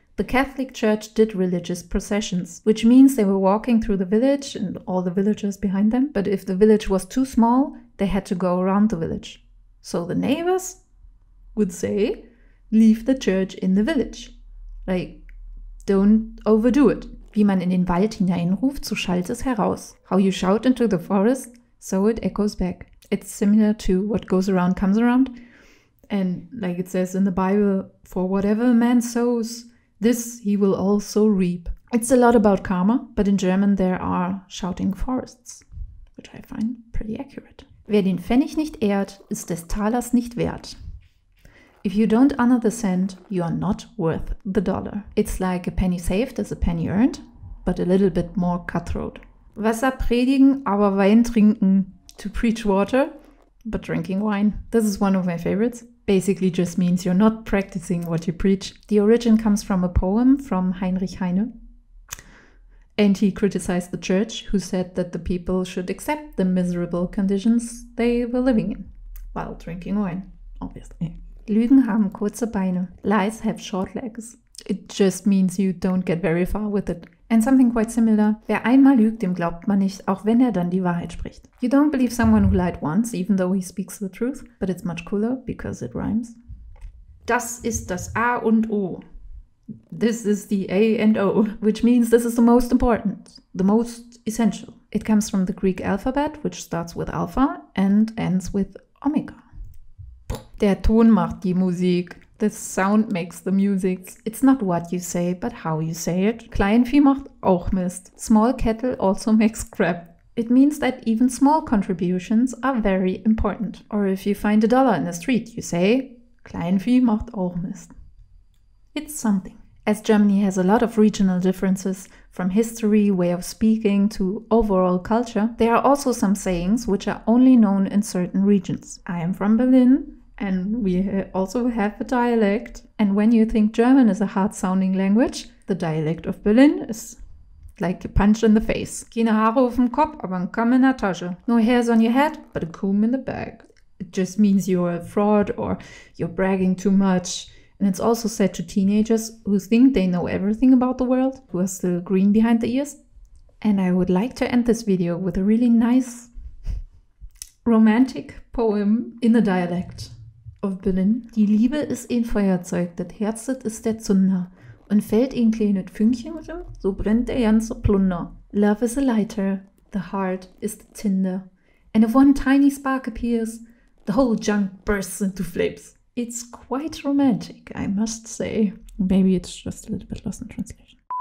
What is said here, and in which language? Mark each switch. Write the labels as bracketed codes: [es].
[en] The Catholic Church did religious processions, which means they were walking through the village and all the villagers behind them. But if the village was too small, they had to go around the village. So the neighbors would say, leave the church in the village. Like, don't overdo it. [de] Wie man in den Wald hineinruft, so schallt es heraus. [en] How you shout into the forest, so it echoes back. It's similar to what goes around comes around. And like it says in the Bible, for whatever a man sows, this he will also reap. It's a lot about karma, but in German there are shouting forests, which I find pretty accurate. [de] Wer den Pfennig nicht ehrt, ist des Talers nicht wert. [en] If you don't honor the cent, you are not worth the dollar. It's like a penny saved is a penny earned, but a little bit more cutthroat. [de] Wasser predigen, aber Wein trinken. [en] To preach water, but drinking wine. This is one of my favorites. Basically just means you're not practicing what you preach. The origin comes from a poem from Heinrich Heine. And he criticized the church, who said that the people should accept the miserable conditions they were living in. While drinking wine, obviously. [de] Lügen haben kurze Beine. [en] Lies have short legs. It just means you don't get very far with it. And something quite similar. [de] Wer einmal lügt, dem glaubt man nicht, auch wenn er dann die Wahrheit spricht. [en] You don't believe someone who lied once, even though he speaks the truth. But it's much cooler, because it rhymes. [de] Das ist das A und O. [en] This is the A and O. Which means this is the most important. The most essential. It comes from the Greek alphabet, which starts with alpha and ends with omega. [de] Der Ton macht die Musik. [en] The sound makes the music. It's not what you say, but how you say it. [de] Kleinvieh macht auch Mist. [en] Small kettle also makes crap. It means that even small contributions are very important. Or if you find a dollar in the street, you say, [de] Kleinvieh macht auch Mist. [en] It's something. As Germany has a lot of regional differences, from history, way of speaking, to overall culture, there are also some sayings which are only known in certain regions. I am from Berlin. And we also have a dialect. And when you think German is a hard-sounding language, the dialect of Berlin is like a punch in the face. [de] Keine Haare auf dem Kopf, aber ein Kamm in der Tasche. [en] No hairs on your head, but a comb in the bag. It just means you're a fraud or you're bragging too much. And it's also said to teenagers who think they know everything about the world, who are still green behind the ears. And I would like to end this video with a really nice romantic poem in the dialect of Berlin. [de] Die Liebe ist ein Feuerzeug, das Herzet ist der Zunder. Und fällt ein kleines Fünkchen oder so brennt der ganze Plunder. [en] Love is a lighter, the heart is the tinder. And if one tiny spark appears, the whole junk bursts into flames. It's quite romantic, I must say. Maybe it's just a little bit lost in translation.